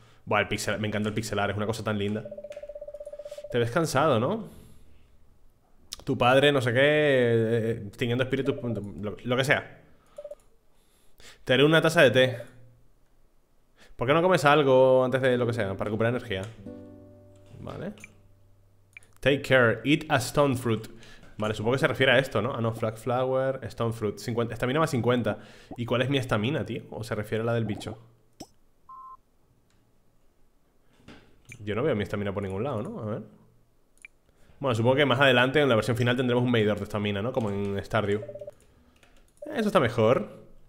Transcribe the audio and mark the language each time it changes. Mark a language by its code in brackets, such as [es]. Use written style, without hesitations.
[es] Buah, el pixel, me encanta el pixelar, es una cosa tan linda. Te ves cansado, ¿no? Tu padre, no sé qué, tiñendo espíritus, lo que sea. Te haré una taza de té. ¿Por qué no comes algo antes de lo que sea? Para recuperar energía. Vale. [en] Take care, eat a stone fruit. [es] Vale, supongo que se refiere a esto, ¿no? Ah, no, [en] flag flower, stone fruit. [es] 50, estamina más 50. ¿Y cuál es mi estamina, tío? ¿O se refiere a la del bicho? Yo no veo mi estamina por ningún lado, ¿no? A ver. Bueno, supongo que más adelante en la versión final tendremos un medidor de estamina, ¿no? Como en Stardew. Eso está mejor.